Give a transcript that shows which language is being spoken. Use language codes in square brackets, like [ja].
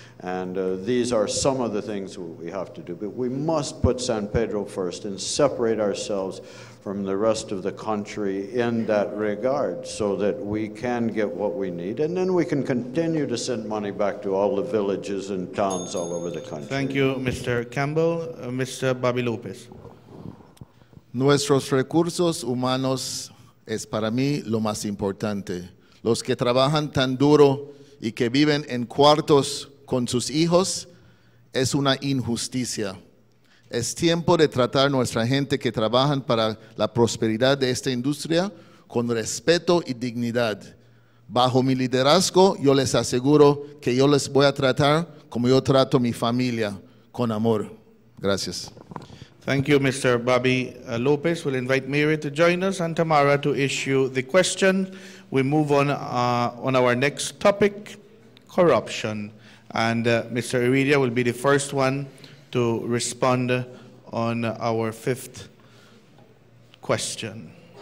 [en] And these are some of the things we have to do. But we must put San Pedro first and separate ourselves from the rest of the country in that regard so that we can get what we need. And then we can continue to send money back to all the villages and towns all over the country. Thank you, Mr. Campbell. Mr. Bobby Lopez. [es] Nuestros recursos humanos es para mí lo más importante. Los que trabajan tan duro y que viven en cuartos con sus hijos es una injusticia. Es tiempo de tratar nuestra gente que trabajan para la prosperidad de esta industria con respeto y dignidad. Bajo mi liderazgo, yo les aseguro que yo les voy a tratar como yo trato mi familia, con amor. Gracias. [en] Thank you, Mr. Bobby Lopez. We'll invite Mary to join us and Tamara to issue the question. We move on our next topic, corruption. And Mr. Heredia will be the first one to respond on our fifth question.